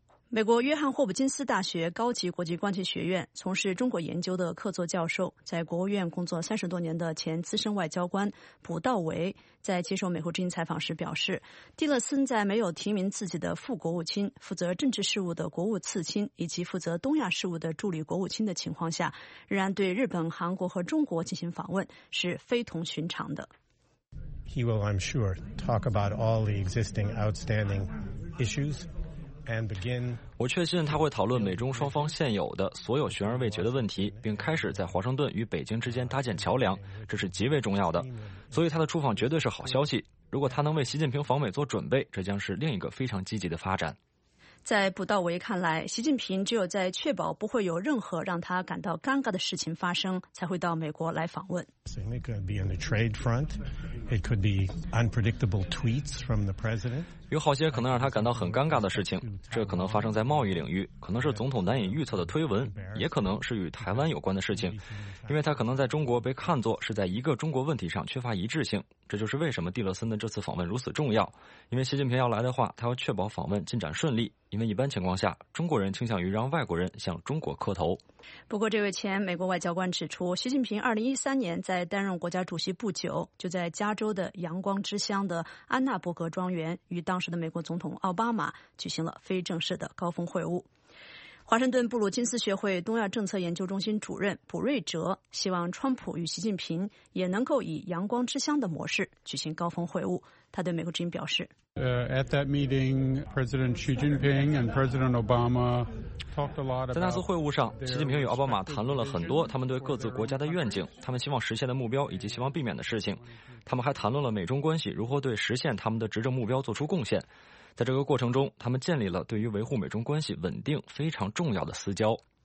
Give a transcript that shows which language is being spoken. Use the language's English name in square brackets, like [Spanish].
[Chinese] 美国约翰霍普金斯大学高级国际关系学院从事中国研究的客座教授，在国务院工作30多年的前资深外交官卜道维在接受美国之音采访时表示，蒂勒森在没有提名自己的副国务卿、负责政治事务的国务次卿以及负责东亚事务的助理国务卿的情况下，仍然对日本、韩国和中国进行访问是非同寻常的。 [English] He will, I'm sure, talk about all the existing outstanding issues and begin. [Chinese] 我确信他会讨论美中双方现有的所有悬而未决的问题，并开始在华盛顿与北京之间搭建桥梁，这是极为重要的。所以他的出访绝对是好消息。如果他能为习近平访美做准备，这将是另一个非常积极的发展。在卜道维看来，习近平只有在确保不会有任何让他感到尴尬的事情发生，才会到美国来访问。 [English] It could be on the trade front. It could be unpredictable tweets from the president. [Chinese] 有好些可能让他感到很尴尬的事情，这可能发生在贸易领域，可能是总统难以预测的推文，也可能是与台湾有关的事情，因为他可能在中国被看作是在一个中国问题上缺乏一致性。这就是为什么蒂勒森的这次访问如此重要，因为习近平要来的话，他要确保访问进展顺利。因为一般情况下，中国人倾向于让外国人向中国磕头。不过，这位前美国外交官指出，习近平2013年在担任国家主席不久，就在加州的阳光之乡的安纳伯格庄园与当时的美国总统奥巴马举行了非正式的高峰会晤。华盛顿布鲁金斯学会东亚政策研究中心主任卜瑞哲希望川普与习近平也能够以阳光之乡的模式举行高峰会晤。他对美国之音表示 [English] At that meeting, President Xi Jinping and President Obama talked a lot about [Chinese] 在那次会晤上，习近平与奥巴马谈论了很多他们对各自国家的愿景、他们希望实现的目标以及希望避免的事情。他们还谈论了美中关系如何对实现他们的执政目标做出贡献。在这个过程中，他们建立了对于维护美中关系稳定非常重要的私交。